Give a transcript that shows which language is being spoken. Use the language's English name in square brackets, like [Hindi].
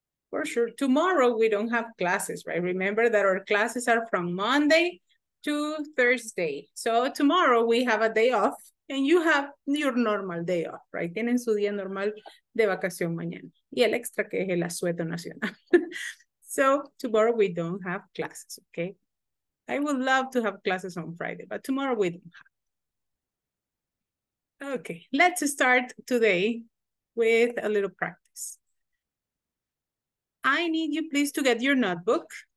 [English] For sure. Tomorrow, we don't have classes, right? Remember that our classes are from Monday to Thursday. So tomorrow, we have a day off, and you have your normal day off, right? [Spanish] Tienen su día normal de vacación mañana. Y el extra que es el asueto nacional. [English] So tomorrow, we don't have classes, okay? I would love to have classes on Friday, but tomorrow, we don't have. Okay, let's start today with a little practice. I need you please to get your notebook.